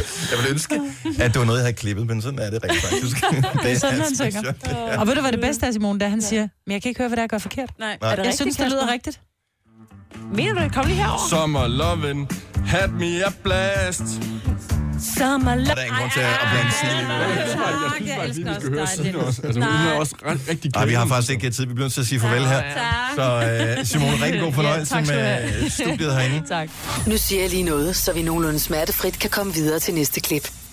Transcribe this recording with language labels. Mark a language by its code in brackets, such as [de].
[da] Jeg ville ønske, at det var noget, jeg havde klippet, men sådan er det rigtig faktisk. Det er sådan, han tænker. Ja. Og ved du, hvad det bedste er, Simone, da han siger, men jeg kan ikke høre, hvad der er gået forkert. Nej. Jeg synes, det lyder rigtigt. Mener du, kom lige herover? [en] Summer lovin' had me a blast. Summer lovin'. [da] Der er ingen grund til at blande sig. Jeg synes faktisk, vi skal høre sådan noget. Altså, vi har faktisk ikke tid. Vi bliver nødt til at sige farvel her. Så Simone, rigtig god fornøjelse med studiet herinde. Tak. Nu siger jeg lige noget, så vi nogenlunde smertefrit kan komme videre til næste klip.